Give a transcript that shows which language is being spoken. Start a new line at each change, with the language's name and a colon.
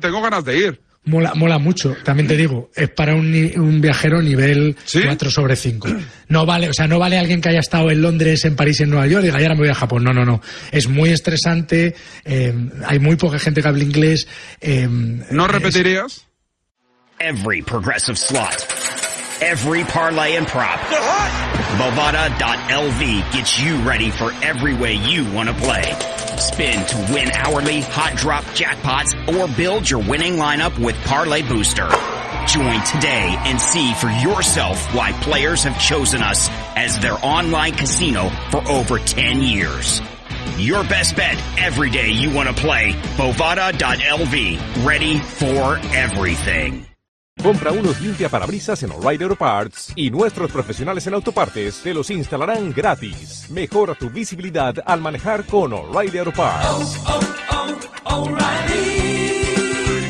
Spanish: tengo ganas de ir. Mola mucho, también te digo, es para un viajero nivel ¿sí? 4 sobre 5. No vale, o sea, no vale alguien que haya estado en Londres, en París, en Nueva York, y diga, ya no me voy a Japón. No. Es muy estresante, hay muy poca gente que hable inglés. ¿No repetirías?
English: Every progressive slot, every parlay and prop, Bovada.lv gets you ready for every way you want to play. Spin to win hourly, hot drop jackpots, or build your winning lineup with Parlay Booster. Join today and see for yourself why players have chosen us as their online casino for over 10 years. Your best bet every day you want to play. Bovada.lv, ready for everything.
Spanish: Compra unos limpiaparabrisas en O'Reilly Auto Parts y nuestros profesionales en autopartes te los instalarán gratis. Mejora tu visibilidad al manejar con O'Reilly Auto Parts. Oh, oh, oh, O'Reilly